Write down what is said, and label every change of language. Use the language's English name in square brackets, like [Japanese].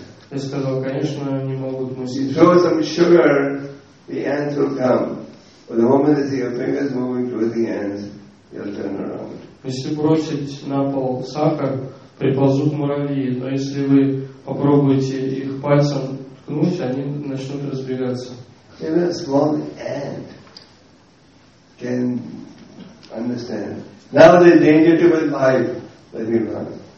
[Russian] Я сказал, конечно, они могут мыслить. [English] Throw some sugar, the ants will come. But the moment they see your fingers moving towards the ants, they'll turn around. [Russian] Если бросить на пол сахар, приползут муравьи. Но если вы попробуете их пальцем ткнуть, они начнут разбегаться. [English] Even a small ant can understand. Now there's danger to my life. Let me run.